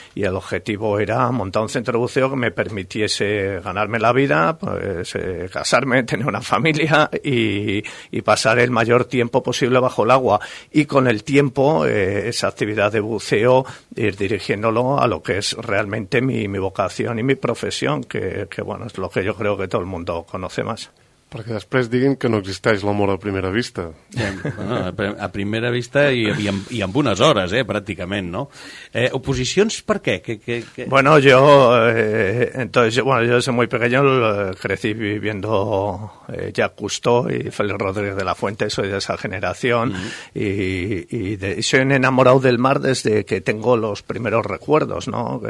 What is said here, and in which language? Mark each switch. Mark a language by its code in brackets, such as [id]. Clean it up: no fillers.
[es] Y el objetivo era montar un centro de buceo que me permitiese ganarme la vida, pues casarme, tener una familia y pasar el mayor tiempo posible bajo el agua, y con el tiempo esa actividad de buceo ir dirigiéndolo a lo que es realmente mi vocación y mi profesión, que bueno, es lo que yo creo que todo el mundo conoce más. [ca] Perquè després diguin que no existeix l'amor a primera vista. Bueno, a primera vista i amb unes hores, pràcticament, no? Oposicions per què? [es] Bueno, yo, entonces, bueno, yo desde muy pequeño crecí viviendo Jacques Cousteau y Félix Rodríguez de la Fuente, soy de esa generación, y soy un enamorado del mar desde que tengo los primeros recuerdos, ¿no?